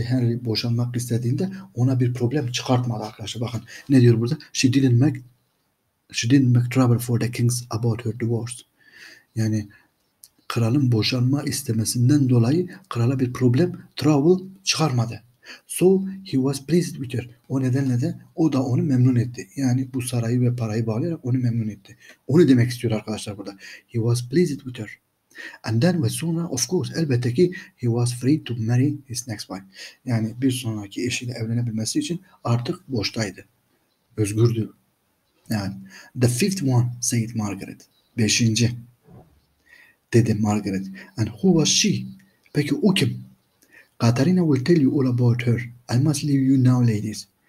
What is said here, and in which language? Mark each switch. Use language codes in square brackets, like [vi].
[tr] Henry boşanmak istediğinde ona bir problem çıkartmadı arkadaşlar. Bakın ne diyor burada? [en] She didn't make trouble for the kings about her divorce. [tr] Yani kralın boşanma istemesinden dolayı krala bir problem, trouble çıkarmadı. [en] So he was pleased with her. [tr] O nedenle de o da onu memnun etti. Yani bu sarayı ve parayı bağlayarak onu memnun etti. Onu demek istiyor arkadaşlar burada. [en] He was pleased with her. And then [tr] ve sonra [en] of course [tr] elbette ki [en] he was free to marry his next wife. [tr] Yani bir sonraki eşiyle evlenebilmesi için artık boştaydı. Özgürdü. Yani [en] the fifth one said Margaret. [tr] Beşinci dedi Margaret. [en] And who was she? [tr] Peki o kim? [en] Katarina will tell you all about her. I must leave you now ladies.